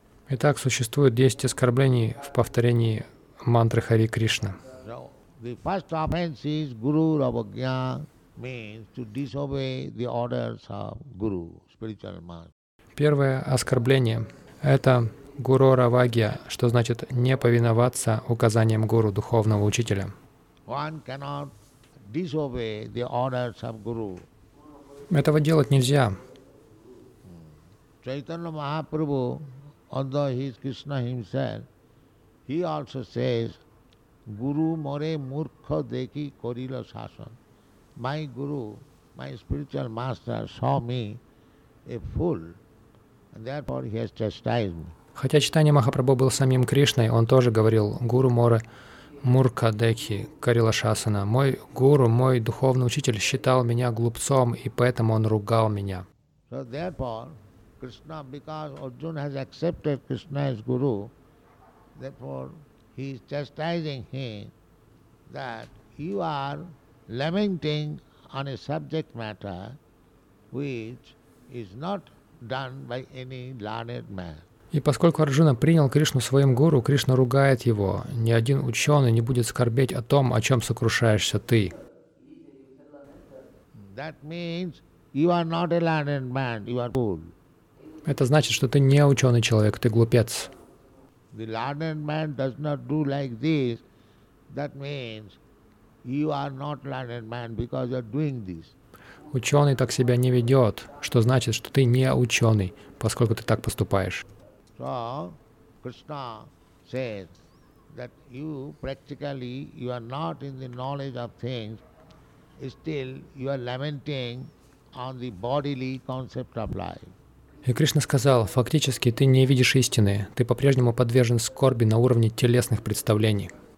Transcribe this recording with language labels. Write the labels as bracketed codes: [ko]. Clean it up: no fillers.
[ru] Итак, существует 10 оскорблений в повторении мантры Хари Кришна. [en] The first offense is guru ravagya, means to disobey the orders of guru, spiritual master. [ru] Первое оскорбление – это guru ravagya, что значит не повиноваться указаниям гуру, духовного учителя. [en] One cannot disobey the orders of guru. [ru] Этого делать нельзя. [en] Chaitanya Mahaprabhu, although he is Krishna himself, he also says, [bn] Guru more murkha dekhi korila shasan. [en] My guru, my spiritual master, saw me a fool, and therefore he has chastised me. [ru] Хотя Чайтанья Махапрабху был самим Кришной, он тоже говорил, [bn] Guru more murkha dekhi korila shasan. [ru] Мой гуру, мой духовный учитель считал меня глупцом, и поэтому он ругал меня. [en] So therefore, Krishna, because Arjuna has accepted Krishna as guru, therefore he is chastising him that you are lamenting on a subject matter which is not done by any learned man. [ru] И поскольку Арджуна принял Кришну своим гуру, Кришна ругает его. Ни один ученый не будет скорбеть о том, о чем сокрушаешься ты. [en] That means you are not a learned man, you are fool. [ru] Это значит, что ты не ученый человек, ты глупец. [en] The learned man does not do like this. That means you are not learned man because you are doing this. [ru] Ученый так себя не ведет, что значит, что ты не ученый, поскольку ты так поступаешь. [en] So Krishna says that you practically you are not in the knowledge of things. Still you are lamenting on the bodily concept of life. [ru] И Кришна сказал, фактически ты не видишь истины, ты по-прежнему подвержен скорби на уровне телесных представлений.